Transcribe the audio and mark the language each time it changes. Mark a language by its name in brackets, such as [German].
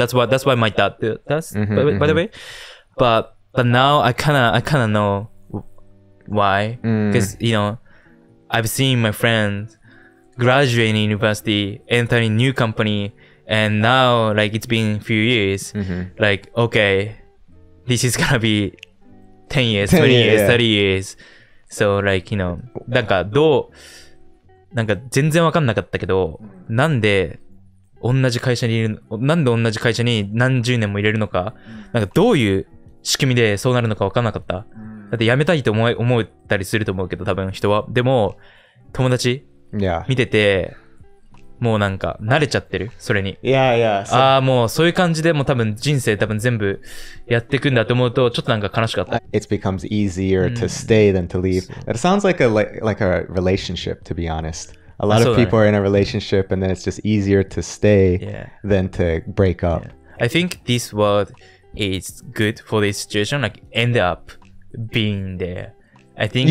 [English] That's why my dad does. By the way, but now I kind of know why. Because you know, I've seen my friends graduating university, entering new company, and now like it's been a few years. Like okay, this is gonna be 10 years, 20 years, 30 years. So like you know, [Japanese] なんかどうなんか全然わかんなかったけど、なんで同じ会社にいる、なんで同じ会社に何十年もいれるのか、なんかどういう仕組みでそうなるのかわかんなかった。だって辞めたいと思ったりすると思うけど、多分人は。でも友達見てて、もうなんか慣れちゃってるそれに。いやいや。ああもうそういう感じでもう多分人生多分全部やっていくんだと思うとちょっとなんか悲しかった。 [English] It becomes easier to stay than to leave. It sounds like a relationship to be honest. A lot of people are in a relationship and then it's just easier to stay than to break up. I think this word is good for this situation. Like end up being there. I think